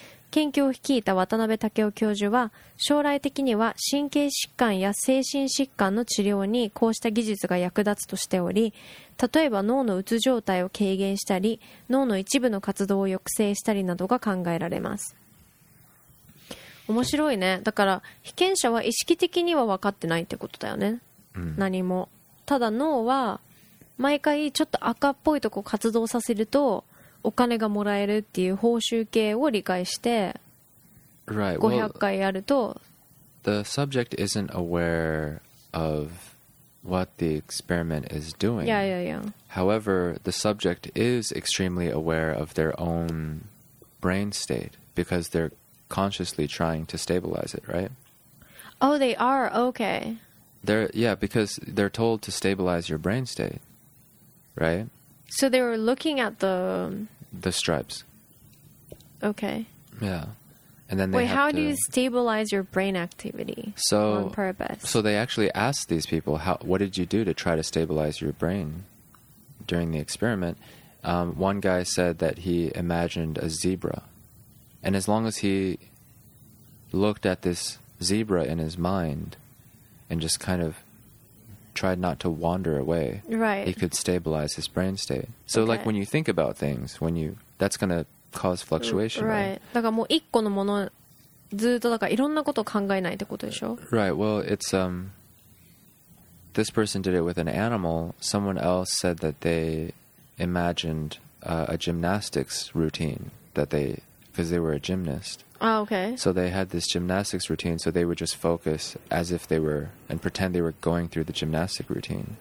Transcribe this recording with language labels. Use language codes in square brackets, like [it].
[ja] 研究を率いた渡辺武雄教授は、将来的には神経疾患や精神疾患の治療にこうした技術が役立つとしており、例えば脳のうつ状態を軽減したり、脳の一部の活動を抑制したりなどが考えられます。面白いね。だから被験者は意識的には分かってないってことだよね、うん、何も。ただ脳は毎回ちょっと赤っぽいとこ活動させるとお金がもらえるっていう報酬系を理解して、 [en] right. [ja] 500回やると、 [en] well, the subject isn't aware of what the experiment is doing. Yeah, yeah, yeah. However, the subject is extremely aware of their own brain state because they're consciously trying to stabilize it, right? Oh, they are. Okay. They're, yeah, because they're told to stabilize your brain state, right? So they were looking at the... The stripes. Okay. Yeah. And then they Wait, how to... do you stabilize your brain activity so, on purpose? So they actually asked these people, how, what did you do to try to stabilize your brain during the experiment? One guy said that he imagined a zebra. And as long as he looked at this zebra in his mind and just kind of tried not to wander away, right, he could stabilize his brain state. So okay. like when you think about things, when you, that's going to cause fluctuation, right? Right. [ja] だからもう一個のものずっとだからいろんなことを考えないってことでしょ? [en] Right. Well, it's, this person did it with an animal. Someone else said that they imagined a gymnastics routine that they, because they were a gymnast. Ah, okay. So they had this gymnastics routine, so they would just focus as if they were and pretend they were going through the gymnastic routine.